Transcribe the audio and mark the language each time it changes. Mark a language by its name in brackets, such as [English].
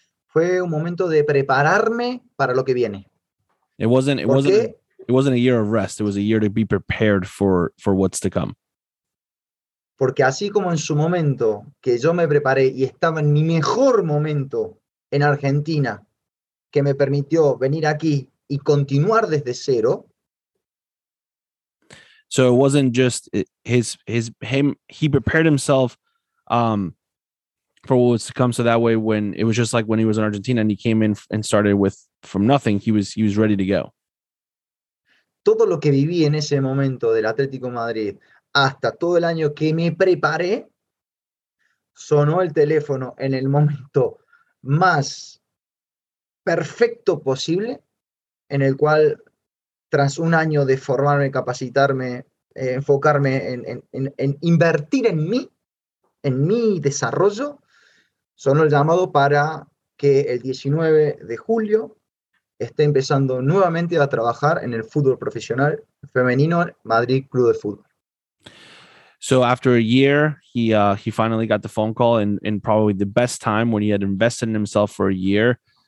[Spanish] Fue un momento de prepararme para lo que viene. [English] It wasn't a year of rest. It was a year to be prepared for what's to come. [Spanish] Porque así como en su momento que yo me preparé y estaba en mi mejor momento en Argentina, que me permitió venir aquí y continuar desde cero. [English] So it wasn't just him. He prepared himself for what was to come. So that way, when it was just like when he was in Argentina and he came in and started with from nothing, he was ready to go. [Spanish] Todo lo que viví en ese momento del Atlético Madrid hasta todo el año que me preparé, sonó el teléfono en el momento más perfecto posible, en el cual, tras un año de formarme, capacitarme, enfocarme en invertir en mi desarrollo, sonó el llamado para que el 19 de julio esté empezando nuevamente a trabajar en el fútbol profesional femenino Madrid Club de Fútbol. [English] So after a year, he finally got the phone call in probably the best time when he had invested in himself for a year.